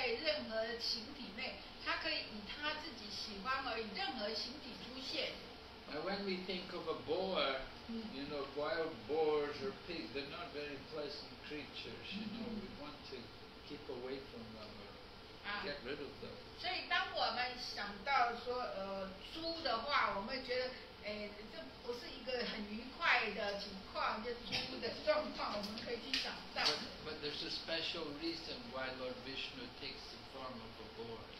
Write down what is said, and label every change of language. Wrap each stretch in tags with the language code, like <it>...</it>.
<zh>所以主Vishnu不会被限制在任何形体内, 他可以以他自己喜欢而以任何形体出现.</zh> <en>Now when we think of a boar, you know, wild boars or pigs, they're not very pleasant creatures, you know, we want to keep away from them or get rid of them.</en> <zh>所以当我们想到说猪的话,我们觉得 哎，这不是一个很愉快的情况，就是猪的状况，我们可以去想到。</zh> <en>But there's a special reason why Lord Vishnu takes the form of a boar.</en>